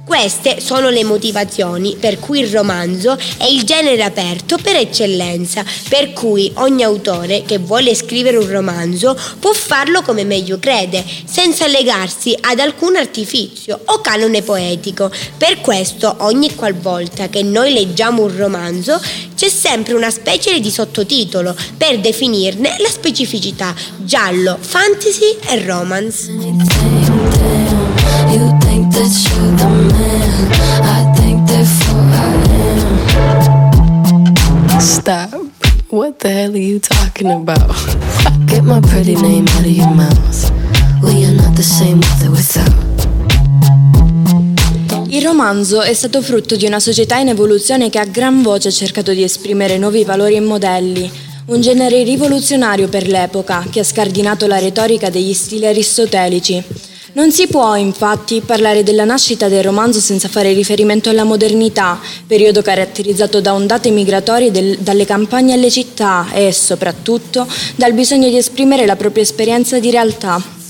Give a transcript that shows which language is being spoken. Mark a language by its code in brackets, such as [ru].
[it] Queste sono le motivazioni per cui il romanzo è il genere aperto per eccellenza, per cui ogni autore che vuole scrivere un romanzo può farlo come meglio crede, senza legarsi ad alcun artificio o canone poetico. Per questo ogni qualvolta che noi leggiamo un romanzo c'è sempre una specie di sottotitolo per definirne la specificità: giallo, fantasy e romance. [en] You think that you're the man, I think therefore I am. Stop, what the hell are you talking about? Get my pretty name out of your mouth. We are not the same with or without. [it] Il romanzo è stato frutto di una società in evoluzione che a gran voce ha cercato di esprimere nuovi valori e modelli. Un genere rivoluzionario per l'epoca, che ha scardinato la retorica degli stili aristotelici. Non si può, infatti, parlare della nascita del romanzo senza fare riferimento alla modernità, periodo caratterizzato da ondate migratorie dalle campagne alle città e, soprattutto, dal bisogno di esprimere la propria esperienza di realtà.